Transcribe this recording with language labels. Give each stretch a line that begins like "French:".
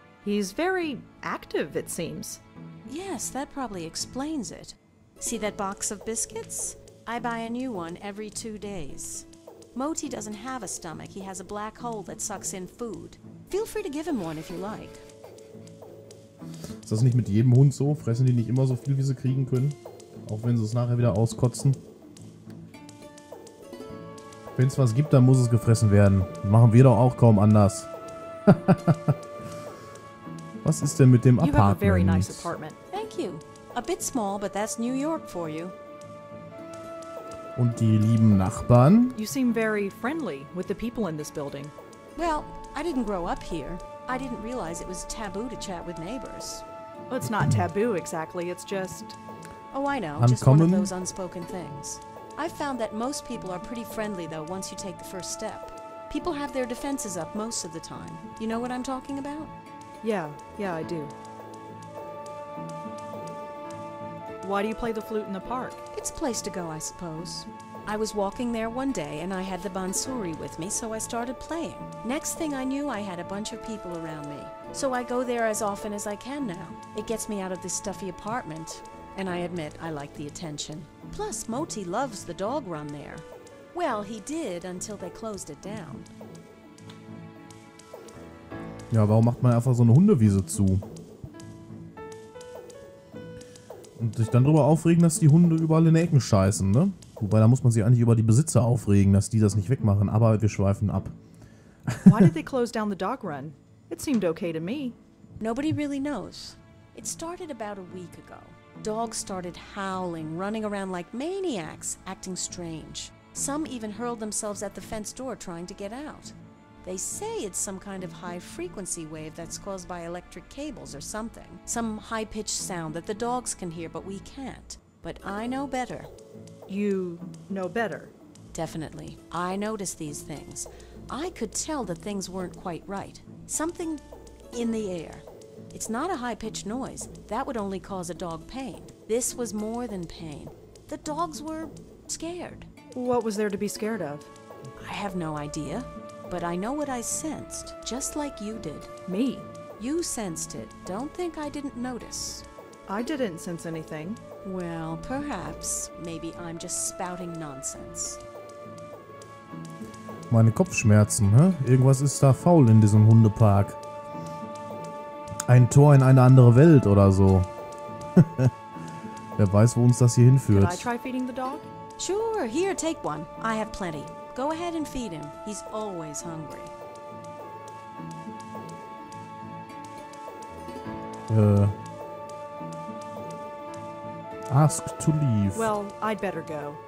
English: He's very active, it seems. Yes, that probably explains it. See that box of biscuits? I buy a new one every 2 days. Moti doesn't have a stomach. He has a black hole that sucks in food. Feel free to give him one if you like.
German: Ist das nicht mit jedem Hund so? Fressen die nicht immer so viel, wie sie kriegen können? Auch wenn sie es nachher wieder auskotzen? Wenn es was gibt, dann muss es gefressen werden. Machen wir doch auch kaum anders. Was ist denn mit dem Apartment?
English: You have a very nice apartment. Thank you. A bit small, but that's New York for you.
German: Und die lieben Nachbarn?
English: You seem very friendly with the people in this building. Well, I didn't grow up here. I didn't realize it was taboo to chat with neighbors. Well, it's not taboo exactly, it's just... Oh, I know, uncommon? Just one of those unspoken things. I've found that most people are pretty friendly though once you take the first step. People have their defenses up most of the time. You know what I'm talking about? Yeah, I do. Why do you play the flute in the park? It's a place to go, I suppose. I was walking there one day, and I had the bansuri with me, so I started playing. Next thing I knew, I had a bunch of people around me. So I go there as often as I can now. It gets me out of this stuffy apartment. And I admit, I like the attention. Plus, Moti loves the dog run there. Well, he did until they closed it down.
German: Ja, warum macht man einfach so eine Hundewiese zu? Und sich dann darüber aufregen, dass die Hunde überall in den Ecken scheißen, ne? Wobei, da muss man sich eigentlich über die Besitzer aufregen, dass die das nicht wegmachen. Aber wir schweifen ab.
English: Why did they close down the dog run? It seemed okay to me. Nobody really knows. It started about a week ago. Dogs started howling, running around like maniacs, acting strange. Some even hurled themselves at the fence door trying to get out. They say it's some kind of high-frequency wave that's caused by electric cables or something. Some high-pitched sound that the dogs can hear, but we can't. But I know better. You know better? Definitely. I noticed these things. I could tell that things weren't quite right. Something in the air. It's not a high-pitched noise. That would only cause a dog pain. This was more than pain. The dogs were scared. What was there to be scared of? I have no idea. But I know what I sensed, just like you did. Me? You sensed it. Don't think I didn't notice. I didn't sense anything. Well, perhaps. Maybe I'm just spouting nonsense.
German: Meine Kopfschmerzen, hä? Irgendwas ist da faul in diesem Hundepark. Ein Tor in eine andere Welt oder so. Wer weiß, wo uns das hier hinführt.
English: Can I try feeding the dog? Sure, here, take one. I have plenty. Go ahead and feed him. He's always hungry. Ask to leave. Well, I'd better go.